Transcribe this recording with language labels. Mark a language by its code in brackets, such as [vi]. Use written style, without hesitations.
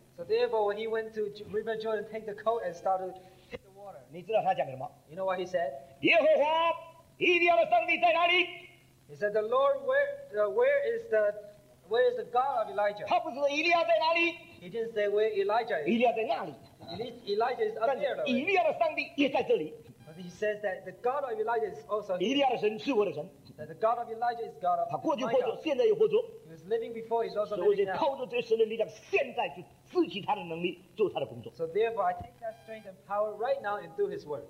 [en] so therefore when he went to River Jordan, take the coat and started to hit the water. [zh] 你知道他讲什么? [en] You know what he said? [zh] 耶和华, 以利亚的上帝在哪里? [en] He said, the Lord, where is the God of Elijah? [zh] 他不是说以利亚在哪里? [en] He didn't say where Elijah is. [zh] 以利亚在那里? [en] Elijah is up there. [zh] 以利亚的上帝也在这里。 [en] But he says that the God of Elijah is also [zh] here. 以利亚的神是我的神。 [en] That the God of Elijah is God of Elijah. [zh] 他过去活着,现在又活着。 [en] He was living before, he's also living now. [zh] 所以靠着这神的力量,现在就 自己他的能力, [en] so therefore, I take that strength and power right now and do His work.